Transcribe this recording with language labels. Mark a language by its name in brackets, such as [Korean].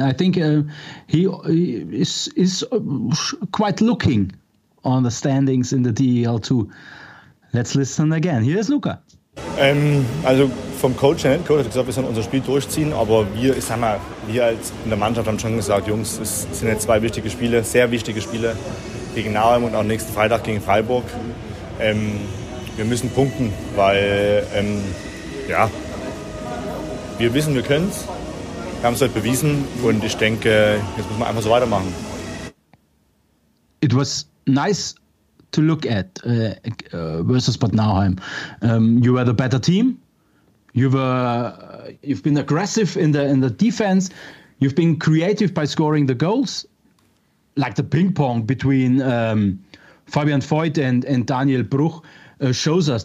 [English] I think he is quite looking on the standings in the DEL2. Let's listen again. [German] Hier ist Luca. Also vom Coach, der Coach hat gesagt, wir sollen unser Spiel durchziehen, aber wir, ich sag mal, wir als in der Mannschaft haben schon gesagt, Jungs, es sind jetzt zwei wichtige Spiele, sehr wichtige Spiele gegen Nauheim und auch nächsten Freitag gegen Freiburg. Wir müssen punkten, weil ja, wir wissen, wir können es. Wir haben es halt bewiesen und ich denke, jetzt müssen wir einfach so weitermachen. [English] It was nice to look at versus Bad Nauheim. You were the better team. You've been aggressive in the defense. You've been creative by scoring the goals, like the ping pong between Fabian Voigt and Daniel Bruch shows us.